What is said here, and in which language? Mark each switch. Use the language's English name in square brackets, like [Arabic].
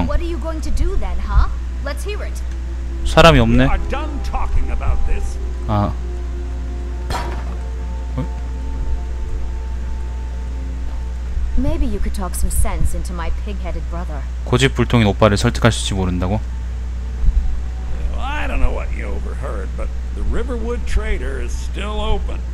[English] What are you going to do then, huh? Let's hear it. [Korean] 사람이 없네. [English] We are done talking about this. 아. 어? Maybe you could talk some sense into my pig-headed brother. [Korean] 고집불통인 오빠를 설득하실지 모른다고? [English] I don't know what you overheard, but the Riverwood Trader is still open.